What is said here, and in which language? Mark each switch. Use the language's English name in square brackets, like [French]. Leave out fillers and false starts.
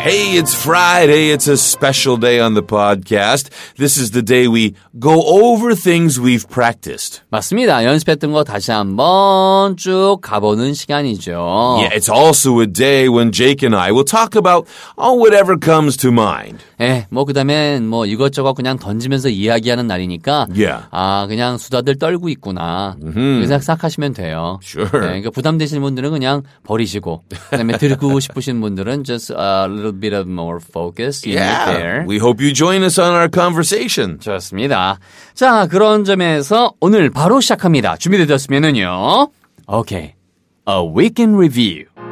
[English] Hey, it's Friday, it's a special day on the podcast. This is the day we go over things we've practiced. [Korean] 맞습니다, 연습했던 거 다시 한번 쭉 가보는 시간이죠. [English] Yeah, it's also a day when Jake and I will talk about all whatever comes to mind. [Korean] 예, 뭐 그 다음에 뭐 이것저것 그냥 던지면서 이야기하는 날이니까 [English] Yeah. [Korean] 아, 그냥 수다들 떨고 있구나. 생각하시면 돼요. [English] Sure. [Korean] 네, 그러니까 부담되시는 분들은 그냥 버리시고 그다음에 들고 싶으신 분들은 [English] just a little bit of more focus in yeah. there. We hope you join us on our conversation. [Korean] 좋습니다. 자, 그런 점에서 오늘 바로 시작합니다. 준비되셨으면은요. [English] Okay. A week in review.